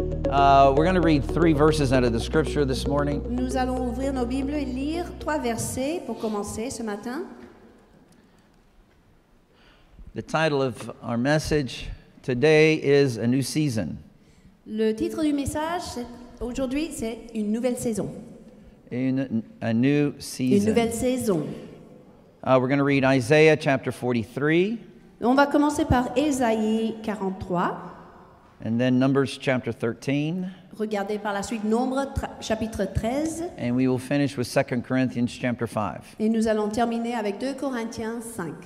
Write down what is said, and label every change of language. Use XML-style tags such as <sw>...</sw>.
<en>We're going to read three verses out of the scripture this morning.</en> <fr>Nous allons ouvrir nos Bibles et lire trois versets pour commencer ce matin.</fr> <en>The title of our message today is a new season.</en> <fr>Le titre du message aujourd'hui, c'est une nouvelle saison.</fr> <en>A new season.</en> <fr>Une nouvelle saison.</fr> <en>We're going to read Isaiah chapter 43.</en> <fr>On va commencer par Ésaïe 43.</fr> <en>And then Numbers chapter 13.</en> <fr>Regardez par la suite Nombre chapitre 13.</fr> <en>And we will finish with 2 Corinthians chapter 5.</en> <fr>Et nous allons terminer avec 2 Corinthiens 5.</fr>